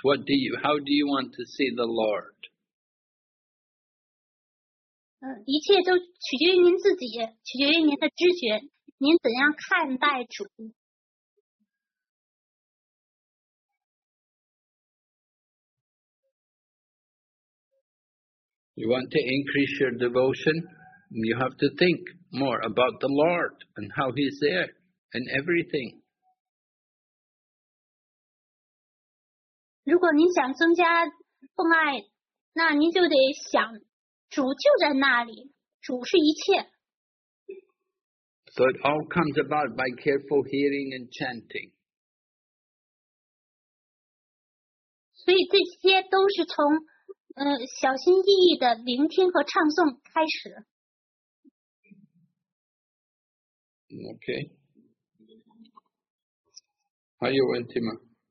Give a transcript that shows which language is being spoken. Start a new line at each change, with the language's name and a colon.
English: How do you want to see the Lord?
Chinese: 一切都取决于您自己，取决于您的知觉，您怎样看待主。
English: You want to increase your devotion? You have to think more about the Lord and how He's there in everything.
Chinese: 如果您想增加奉爱，那您就得想主就在那里，主是一切。
English: So it all comes about by careful hearing and chanting.
Chinese: 所以这些都是从小心翼翼的聆听和唱诵开始。
English: Okay.
Chinese: 还有问题吗？